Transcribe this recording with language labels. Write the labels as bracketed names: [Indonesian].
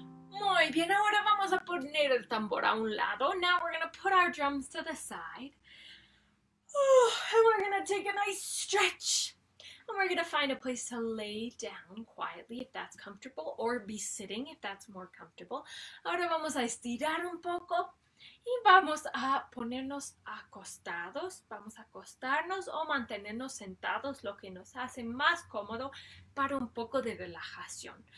[Spanish] Muy bien, ahora vamos a poner el tambor a un lado. [English] Now we're gonna put our drums to the side. Oh, and we're gonna take a nice stretch. And we're gonna find a place to lay down quietly if that's comfortable, or be sitting if that's more comfortable. [Spanish] Ahora vamos a estirar un poco. Y vamos a ponernos acostados, vamos a acostarnos o mantenernos sentados, lo que nos hace más cómodo para un poco de relajación.